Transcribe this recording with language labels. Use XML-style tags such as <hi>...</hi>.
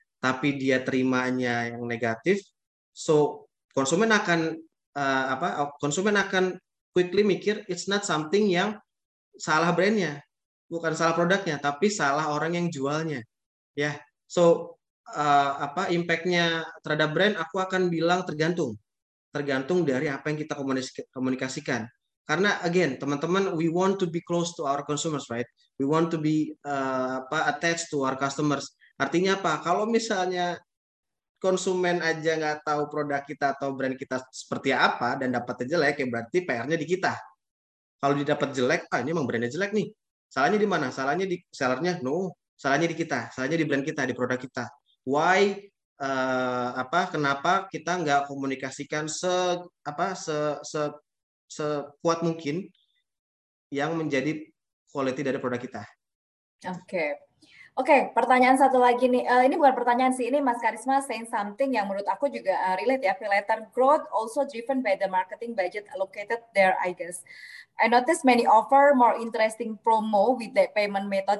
<id>Tapi dia terimanya yang negatif, so konsumen akan quickly mikir</id> <en>it's not something</en> <id>yang salah brandnya, bukan salah produknya, tapi salah orang yang jualnya, ya. Yeah. So impact-nya terhadap brand, aku akan bilang tergantung dari apa yang kita komunikasikan.</id> <en>Karena again, teman-teman, we want to be close to our consumers, right? We want to be attached to our customers.</en> <id>Artinya apa? Kalau misalnya konsumen aja nggak tahu produk kita atau brand kita seperti apa dan dapatnya jelek, ya berarti PR-nya di kita. Kalau didapat jelek, ini emang brandnya jelek nih. Salahnya di mana? Salahnya di sellernya? No. Salahnya di kita. Salahnya di brand kita, di produk kita.</id> <en>Why?</en> <id>Kenapa kita nggak komunikasikan sekuat mungkin yang menjadi quality dari produk kita. Oke. Okay, pertanyaan satu lagi nih. Ini bukan pertanyaan sih, ini Mas Karisma</id> <en>saying something</en> <id>yang menurut aku juga relate ya.</id> <en>Affiliate growth also driven by the marketing budget allocated there, I guess. I notice many offer more interesting promo with that payment method.</en>